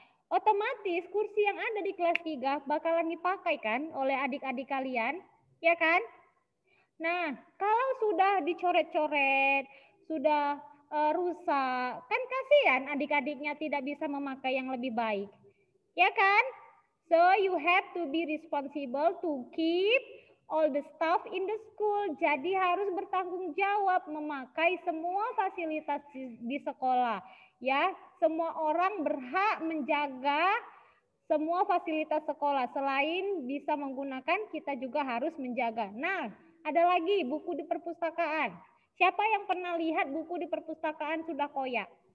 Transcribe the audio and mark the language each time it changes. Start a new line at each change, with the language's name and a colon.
Indonesian: Otomatis kursi yang ada di kelas 3 bakalan dipakai kan oleh adik-adik kalian, ya kan? Nah, kalau sudah dicoret-coret, sudah rusak, kan kasihan adik-adiknya tidak bisa memakai yang lebih baik. Ya kan?
English: So you have to be responsible to keep all the stuff in the school.
Indonesian: Jadi harus bertanggung jawab memakai semua fasilitas di sekolah. Ya, semua orang berhak menjaga semua fasilitas sekolah. Selain bisa menggunakan, kita juga harus menjaga. Nah, ada lagi buku di perpustakaan. Siapa yang pernah lihat buku di perpustakaan sudah koyak?